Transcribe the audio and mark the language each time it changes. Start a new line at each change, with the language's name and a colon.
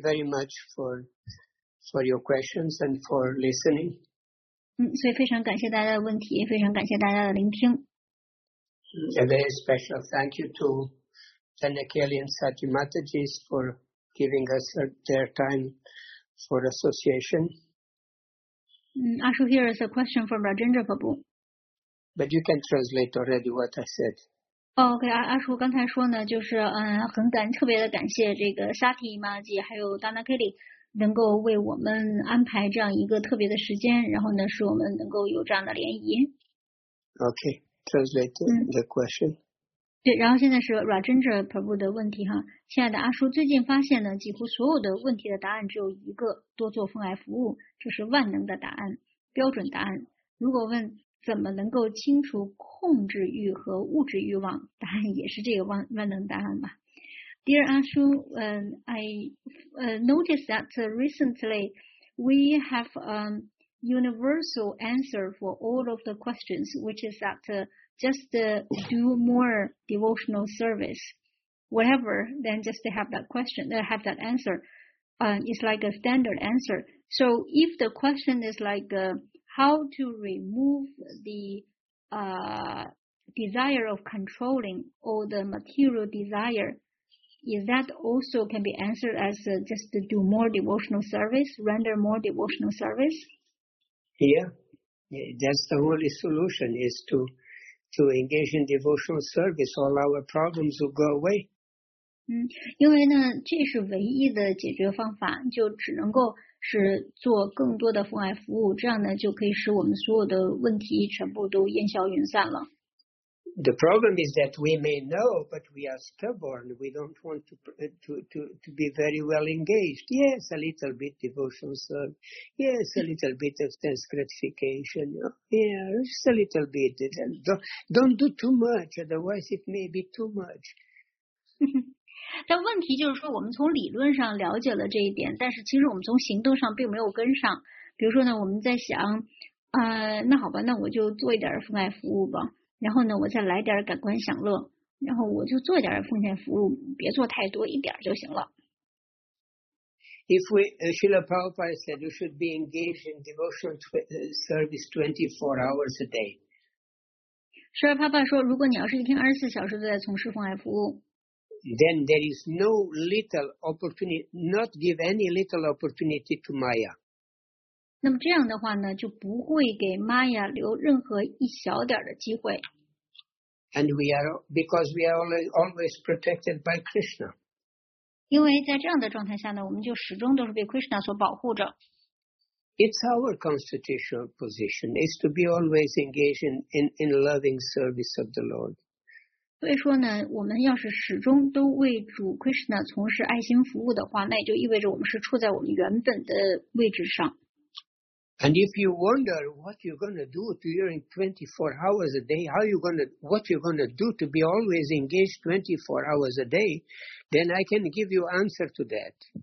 English: very much for your questions and for listening.
Chinese: 所以非常感谢大家的问题，也非常感谢大家的聆听。A
English: very special thank you to Janakeli and Sati Mataji for giving us their time for association. Ashu, here is a question from Rajendra Prabhu. But you can translate already what I said.
Chinese: Okay, 阿叔刚才说呢，就是很感特别的感谢这个 Sati Maji 还有 Dana Kelly 能够为我们安排这样一个特别的时间，然后呢，使我们能够有这样的联谊。
English: Okay, translate the question.
Chinese: 对，然后现在是 Rajendra Prabhu 的问题哈，亲爱的阿叔，最近发现呢，几乎所有的问题的答案只有一个，多做奉爱服务，这是万能的答案，标准答案。如果问怎么能够清除控制欲和物质欲望，答案也是这个万能答案吧。
English: Dear Ashu, I noticed that recently we have a universal answer for all of the questions, which is that do more devotional service, whatever, then just to have that question, have that answer. It's like a standard answer. So if the question is like how to remove the desire of controlling or the material desire,is that also can be answered as just to do more devotional service, render more devotional service? Yeah, that's the only solution, is to engage in devotional service. All our problems will go away.
Chinese: 因为呢，这是唯一的解决方法，就只能够是做更多的奉爱服务，这样呢，就可以使我们所有的问题全部都烟消云散了。
English: The problem is that we may know, but we are stubborn. We don't want to be very well engaged. Yes, a little bit devotional service. Yes, a little bit of sense gratification. Yeah, just a little bit. Don't do too much, otherwise it may be too much.
Chinese: 但问题就是说，我们从理论上了解了这一点，但是其实我们从行动上并没有跟上。比如说呢，我们在想，那好吧，那我就做一点奉爱服务吧。然后呢，我再来点感官享乐，然后我就做点奉献服务，别做太多，一点就行了。
English: Srila Prabhupada said you should be engaged in devotional service 24 hours a day.
Chinese: Srila Prabhupada 说，如果你要是一天24小时都在从事奉爱服务，
English: then there is no little opportunity, not give any little opportunity to Maya.
Chinese: 那么这样的话呢，就不会给玛雅留任何一小点的机会。
English: And we are because we are always protected by Krishna.
Chinese: 因为在这样的状态下呢，我们就始终都是被 Krishna 所保护着。
English: It's our constitutional position is to be always engaged in loving service of the Lord.
Chinese: 所以说呢，我们要是始终都为主 Krishna 从事爱心服务的话，那也就意味着我们是处在我们原本的位置上。
English: And if you wonder what you're going to do during 24 hours a day, what you're going to do to be always engaged 24 hours a day, then I can give you answer to that.